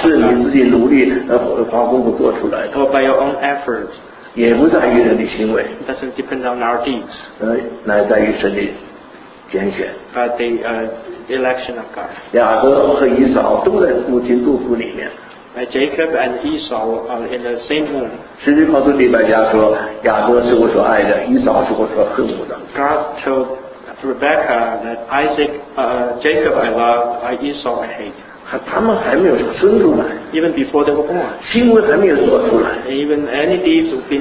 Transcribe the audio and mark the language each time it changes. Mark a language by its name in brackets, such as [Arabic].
[Chinese] 是你自己努力花功夫做出来的。 [English] Or by your own effort. [Chinese] 也不在于人的行为。 [English] It doesn't depend on our deeds. [Chinese] 乃在于神的拣选。 [English] But the election of God. [Chinese] 雅各和以扫都在母亲肚腹里面。 [English] Jacob and Esau are in the same womb. [Chinese] 圣经告诉利百加说，雅各是我所爱的，以扫是我所恨恶的。 [English] God told Rebecca that Isaac, Jacob I love, Esau I hate. [Chinese] 他们还没有生出来 [English] ，even before they were born， [Chinese] 行为还没有做出来 [English] ，even any deeds have been